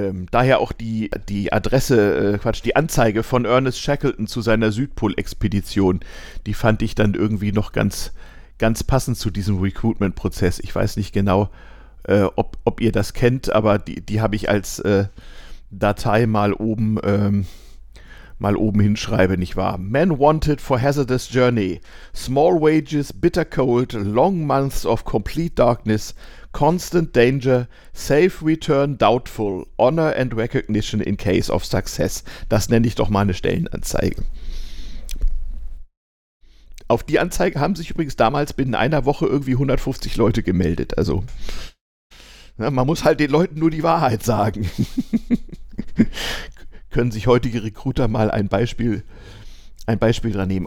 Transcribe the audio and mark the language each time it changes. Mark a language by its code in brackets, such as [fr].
[de] Daher auch die Adresse, die Anzeige von Ernest Shackleton zu seiner Südpol-Expedition, die fand ich dann irgendwie noch ganz, ganz passend zu diesem Recruitment-Prozess. Ich weiß nicht genau, ob ihr das kennt, aber die habe ich als Datei mal oben hinschreibe, nicht wahr? [en] Men wanted for hazardous journey. Small wages, bitter cold, long months of complete darkness, constant danger, safe return doubtful, honor and recognition in case of success. [de] Das nenne ich doch mal eine Stellenanzeige. Auf die Anzeige haben sich übrigens damals binnen einer Woche irgendwie 150 Leute gemeldet. Also, na, man muss halt den Leuten nur die Wahrheit sagen. Können sich heutige Recruiter mal ein Beispiel dran nehmen.